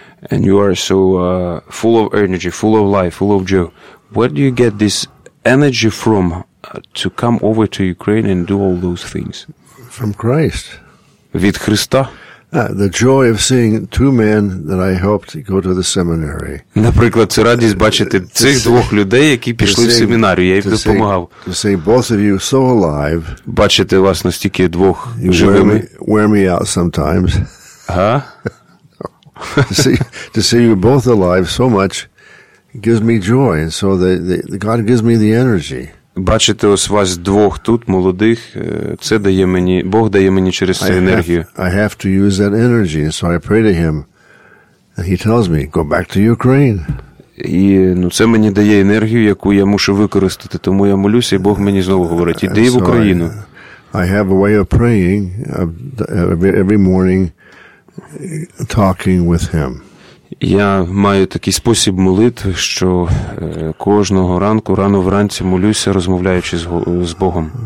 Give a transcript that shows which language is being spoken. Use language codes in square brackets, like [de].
[en] And you are so full of energy, full of life, full of joy. Where do you get this energy from to come over to Ukraine and do all those things? From Christ. [uk] Від Христа. [en] The joy of seeing two men that I helped go to the seminary. [uk] Наприклад, це радість бачити цих двох людей, які пішли в семінарію. Я їм допомагав. [en] To see both of you so alive. [uk] Бачити вас настільки двох живими. [en] Wear me out sometimes. Ага. To see you both alive so much gives me joy. And so the God gives me the energy. [uk] Бачити ось вас двох тут, молодих, це дає мені, Бог дає мені через цю енергію. [en] I have to use that energy, so I pray to him, and he tells me, go back to Ukraine. [uk] І, ну, це мені дає енергію, яку я мушу використати, тому я молюся, і Бог мені знову говорить, іди в Україну. [en] I have a way of praying, every morning, talking with him. [uk] Я маю такий спосіб молитви, що кожного ранку, рано вранці молюся, розмовляючи з Богом.